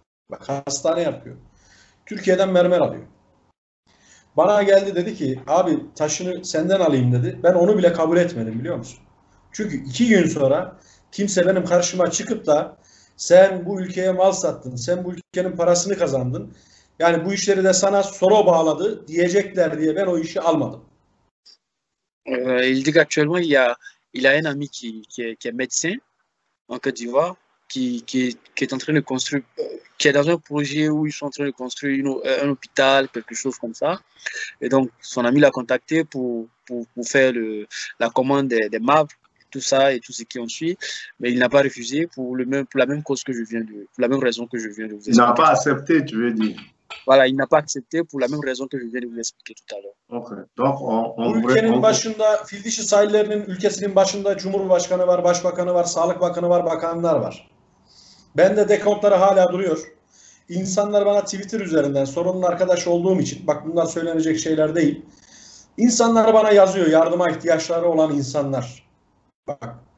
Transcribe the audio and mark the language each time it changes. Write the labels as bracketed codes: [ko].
[tr] Bak hastane yapıyor. Türkiye'den mermer alıyor. Bana geldi, dedi ki abi taşını senden alayım dedi. Ben onu bile kabul etmedim biliyor musun? Çünkü iki gün sonra kimse benim karşıma çıkıp da sen bu ülkeye mal sattın, sen bu ülkenin parasını kazandın, yani bu işleri de sana Soro bağladı diyecekler diye ben o işi almadım. [fr] Il dit actuellement il a un ami qui est médecin en Côte d'Ivoire qui est en train de construire, qui est dans un projet où ils sont en train de construire un hôpital, quelque chose comme ça. Et donc son ami l'a contacté pour faire la commande des meubles, tout ça et tout ce qui en suit, mais il n'a pas refusé pour la même raison que je viens de vous expliquer. Il n'a pas accepté, tu veux dire? Voilà, il n'a pas accepté pour la même raison que je viens de vous expliquer tout à l'heure. OK. Donc on [tr] bu ülkenin başında, fil dişi sahillerinin ülkesinin başında Cumhurbaşkanı var, Başbakanı var, Sağlık Bakanı var, bakanlar var. Bende dekontları hala duruyor. İnsanlar bana Twitter üzerinden, sorunun arkadaş olduğum için, bak bunlar söylenecek şeyler değil. İnsanlar bana yazıyor, yardıma ihtiyaçları olan insanlar. Bak.